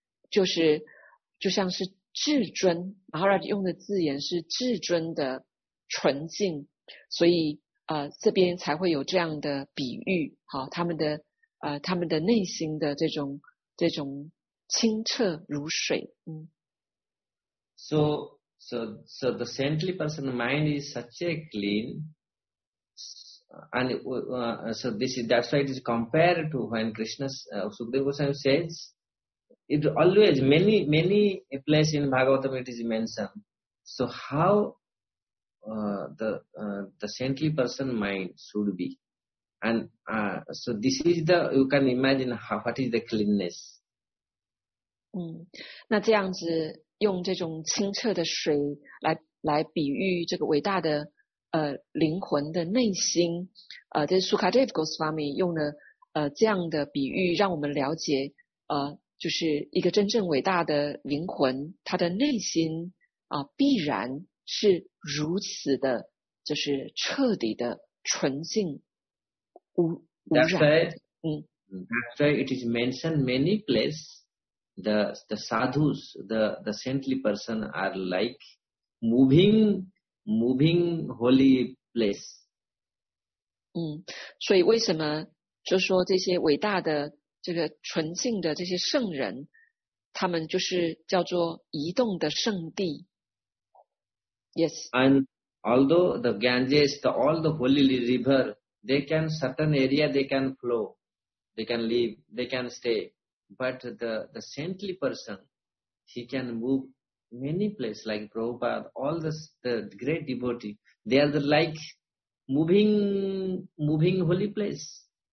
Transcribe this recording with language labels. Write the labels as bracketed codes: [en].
[zh] 就是就像是至尊，马哈拉用的字眼是至尊的纯净，所以这边才会有这样的比喻，好，他们的内心的这种清澈如水，嗯。 [en] So the saintly person mind is such a clean, and so this is, that's why it is compared to when Krishna's Sukadeva Goswami says it always many place in Bhagavatam it is mentioned. So how the saintly person mind should be, and so this is the, you can imagine how, what is the cleanness. [zh] 那这样子。用这种清澈的水来比喻这个伟大的灵魂的内心，这是 Sukadev Goswami 用了这样的比喻，让我们了解就是一个真正伟大的灵魂，他的内心必然是如此的，就是彻底的纯净无染。 [en] That's why it is mentioned many places. The sadhus, the saintly person are like moving holy place. [zh] 所以为什么就说这些伟大的这个纯净的这些圣人，他们就是叫做移动的圣地。 [en] Yes. And although the Ganges, the all the holy river, they can certain area they can flow, they can live, they can stay. But the saintly person, he can move many places like Prabhupada, all the great devotees, they are the, like moving holy place.